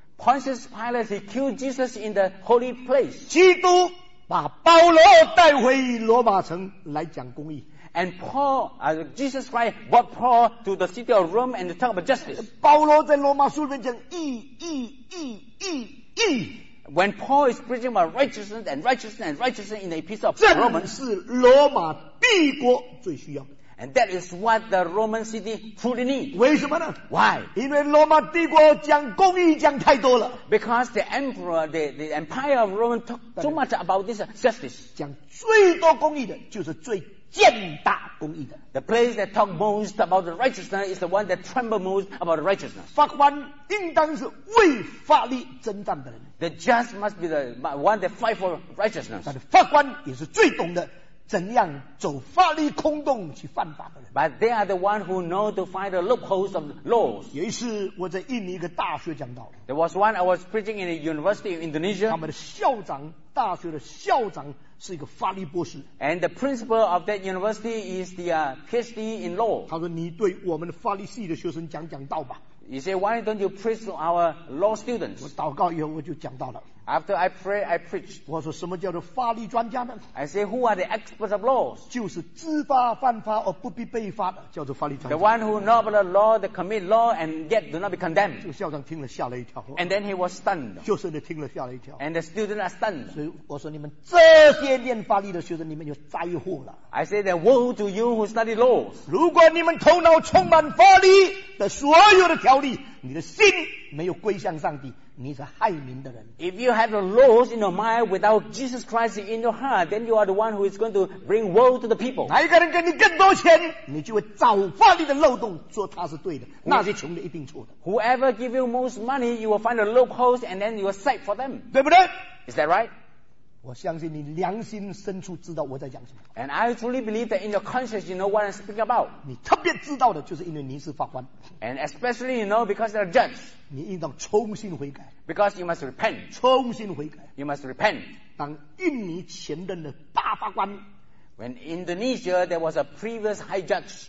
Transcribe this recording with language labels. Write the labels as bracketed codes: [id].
[en] Pontius Pilate, he killed Jesus in the holy place. [zh] 基督把保罗带回罗马城来讲公义。 [en] And Paul, Jesus Christ brought Paul to the city of Rome and talk about justice. [zh] 保罗在罗马书里面讲义义义义义。 [en] When Paul is preaching about righteousness and righteousness and righteousness in the epistle of Romans, [zh] 正是罗马帝国最需要。 [en] And that is what the Roman city truly needs. [zh] 为什么呢? [en] Why? [zh] 因为罗马帝国讲公义讲太多了。 [en] Because the emperor, the empire of Rome talk too much about this justice. [zh] 讲最多公义的就是最践踏公义的。 [en] The place that talk most about the righteousness is the one that tremble most about righteousness. [zh] 法官应当是为法律征战的人。 [en] The just must be the one that fight for righteousness. [zh] 但是法官也是最懂的。怎样走法律空洞去犯法的人。 [en] But they are the one who know to find the loopholes of laws. [zh] 有一次我在印尼一个大学讲道。 [en] There was one I was preaching in a university in Indonesia. [zh] 他们的校长，大学的校长是一个法律博士。 [en] And the principal of that university is the PhD in law. [zh] 他说你对我们法律系的学生讲讲道吧。 [en] He said, why don't you preach to our law students? [zh] 我祷告以后我就讲到了。 [en] After I pray, I preach. [zh] 我说什么叫做法律专家呢? [en] I say, who are the experts of laws? [zh] 就是知法犯法而不必被罚的叫做法律专家。 [en] The one who know about the law, that commit law, and yet do not be condemned. [zh] 这个校长听了吓了一跳。 [en] And then he was stunned. [zh] 就是你听了吓了一跳。 [en] And the student are stunned. [zh] 所以我说你们这些念法律的学生，你们就灾祸了。 [en] I say, the woe to you who study laws. [zh] 如果你们头脑充满法律的所有的条例，你的心没有归向上帝。你是害民的人。 [en] If you have the laws in your mind without Jesus Christ in your heart, then you are the one who is going to bring woe to the people. [zh] 哪一个人给你更多钱, 你就会找法律的漏洞说他是对的, 那些穷的一定错的。 [en] Whoever give you most money, you will find a loophole and then you will cite for them. [zh] 对不对? [en] Is that right? [zh] 我相信你良心深处知道我在讲什么。 [en] And I truly believe that in your conscience you know what I'm speaking about. [zh] 你特别知道的就是因为你是法官。 [en] And especially you know because you're a judge. [zh] 你应当重新悔改。 [en] Because you must repent. [zh] 重新悔改。 [en] You must repent. [zh] 当印尼前任的大法官。 [en] When Indonesia there was a previous high judge.